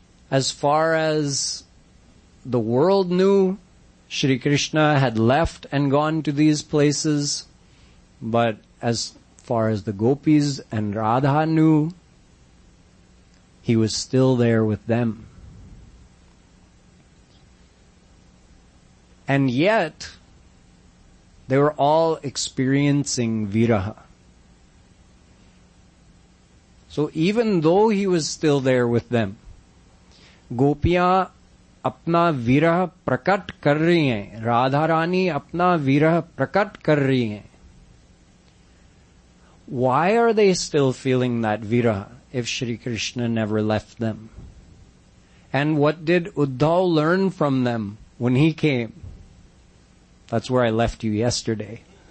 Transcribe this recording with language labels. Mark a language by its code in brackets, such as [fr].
[en] As far as the world knew, Shri Krishna had left and gone to these places, but as far as the gopis and Radha knew, he was still there with them. And yet, they were all experiencing viraha. So even though he was still there with them, [hi] गोपियाँ अपना विरह प्रकट कर रही हैं, राधारानी अपना विरह प्रकट कर रही हैं। [en] Why are they still feeling that viraha if Shri Krishna never left them? And what did Uddhav learn from them when he came? That's where I left you yesterday.